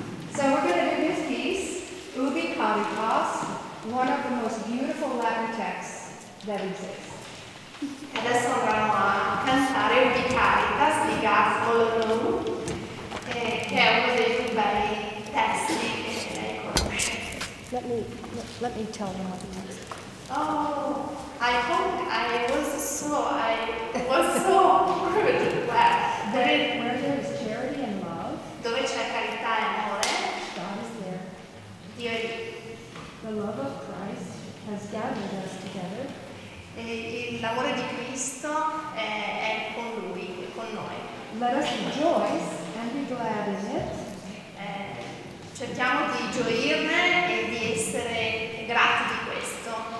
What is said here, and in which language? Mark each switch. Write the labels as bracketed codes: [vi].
[en] So we're going to do this piece, Ubi Caritas, one of the most beautiful Latin texts that exists. [it] Adesso andiamo a cantare Ubi Caritas di Gaspolo Nu, che è uno dei più belli testi che lei conosce. [en] Let me tell them what the text is. Oh, I was so crude. Where there is charity and love, [it] dove c'è carità e amore, [en] God is there. [it] Dio è lì. [en] The love of Christ has gathered us together. [it] E il l'amore di Cristo è con lui, con noi. [en] Let us rejoice and be glad in it. [it] Cerchiamo di gioirne e di essere grati di questo.